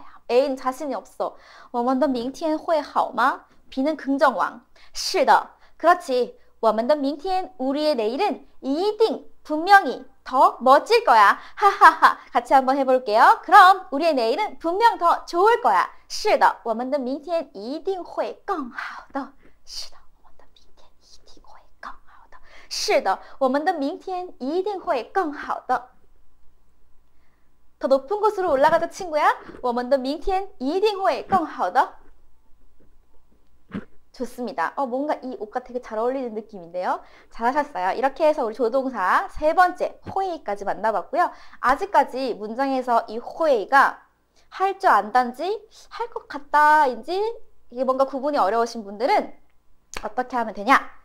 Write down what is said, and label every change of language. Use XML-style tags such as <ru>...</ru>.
<ko>A는 자신이 없어.</ko> <zh>我们的明天会好吗?</zh> <ko>B는 긍정왕.</ko> <zh>是的,</zh> <ko>그렇지.</ko> <zh>我们的明天,</zh> <ko>우리의 내일은 이딩, 분명히 더 멋질 거야. 하하하, 같이 한번 해볼게요. 그럼 우리의 내일은 분명 더 좋을 거야.</ko> <zh>是的, 我们的明天 一定会更好的. 是的, 我们的明天 一定会更好的.</zh> <ko>더 높은 곳으로 올라가자, 친구야.</ko> <zh>我们的明天 一定会更好的.</zh> <ko>좋습니다. 뭔가 이 옷과 되게 잘 어울리는 느낌인데요. 잘하셨어요. 이렇게 해서 우리 조동사 세 번째 호에이까지 만나봤고요. 아직까지 문장에서 이 호에이가 할줄 안단지 할것 같다인지 이게 뭔가 구분이 어려우신 분들은 어떻게 하면 되냐?</ko>